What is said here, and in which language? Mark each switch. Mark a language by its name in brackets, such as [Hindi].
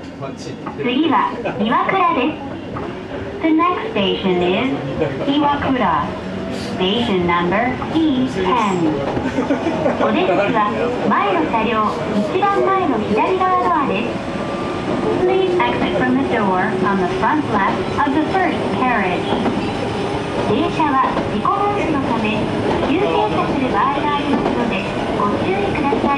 [Japanese] お出口は前の車両一番前の左側ドアです。 [English] Please exit from the door on the front left of the first carriage。 [Japanese] 電車は事故防止のため急停車する場合がありますので。